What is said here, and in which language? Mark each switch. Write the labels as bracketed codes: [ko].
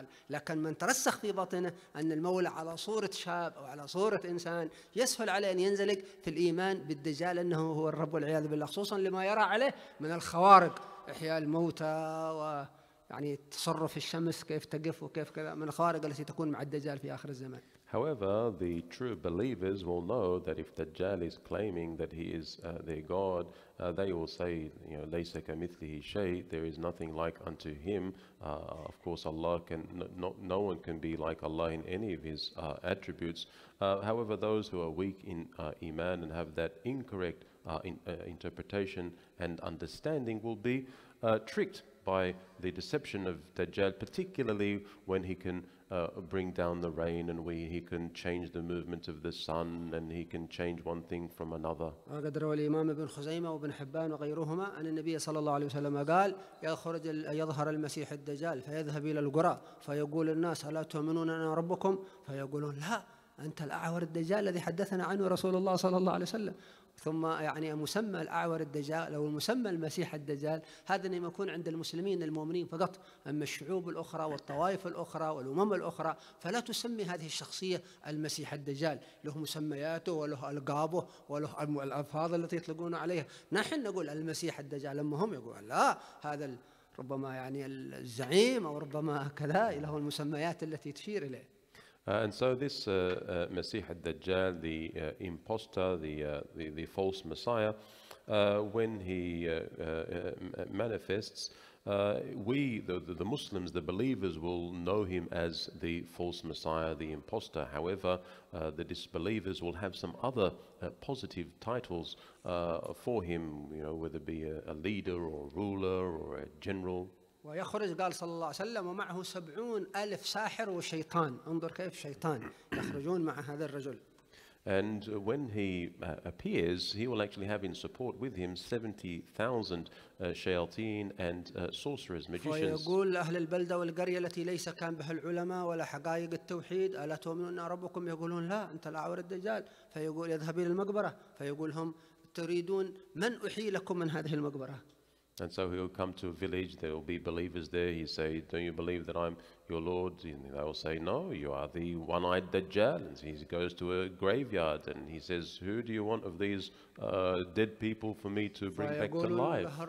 [ar] لكن من ترسخ في بطنه أن المولى على صورة شاب أو على صورة إنسان يسهل عليه أن ينزلق في الإيمان بالدجال أنه هو الرب والعياذ بالله خصوصا لما يرى عليه من الخوارق إحياء الموتى و يعني تصرف الشمس كيف تقف وكيف كذا من الخوارق التي تكون مع الدجال في آخر الزمان. [en] However, the true believers will know that if Dajjal is claiming that he is their God, they will say, you know, [ar] ليس كمثله شيء, [en] there is nothing like unto him. Of course, Allah can, no one can be like Allah in any of his attributes. However, those who are weak in iman and have that incorrect interpretation and understanding will be tricked by the deception of Dajjal, particularly when he can bring down the rain and we he can change the movement of the sun and he can change one thing from another. [ar] الإمام ابن خزيمة وابن حبان وغيرهما أن النبي صلى الله عليه وسلم قال يخرج يظهر المسيح الدجال فيذهب إلى القرى فيقول الناس ألا تؤمنون أنا ربكم فيقولون لا أنت الأعور الدجال الذي حدثنا عنه رسول الله صلى الله عليه وسلم ثم يعني مسمى الأعور الدجال أو مسمى المسيح الدجال هذا لما يكون عند المسلمين المؤمنين فقط أما الشعوب الأخرى والطوائف الأخرى والأمم الأخرى فلا تسمي هذه الشخصية المسيح الدجال له مسمياته وله ألقابه وله الألفاظ التي يطلقون عليها نحن نقول المسيح الدجال لما هم يقول لا هذا ربما يعني الزعيم أو ربما كذا له المسميات التي تشير إليه. [en] And so this Masih al-Dajjal, the imposter, the false Messiah, when he manifests, we, the Muslims, the believers, will know him as the false Messiah, the imposter. However, the disbelievers will have some other positive titles for him, you know, whether it be a leader or a ruler or a general. [ar] ويخرج قال صلى الله عليه وسلم ومعه 70,000 ساحر وشيطان انظر كيف شيطان يخرجون مع هذا الرجل. [en] And when he appears, he will actually have in support with him 70,000 shayateen and sorcerers, magicians. [ar] فيقول لأهل البلدة والقرية التي ليس كان بها العلماء ولا حقائق التوحيد ألا تؤمنون أن ربكم يقولون لا أنت الأعور الدجال فيقول يذهب إلى المقبرة فيقولهم تريدون من أحيلكم من هذه المقبرة. [en] And so he'll come to a village, there will be believers there. He say, don't you believe that I'm your Lord? And they will say, no, you are the one-eyed Dajjal. And he goes to a graveyard and he says, who do you want of these dead people for me to bring back to life?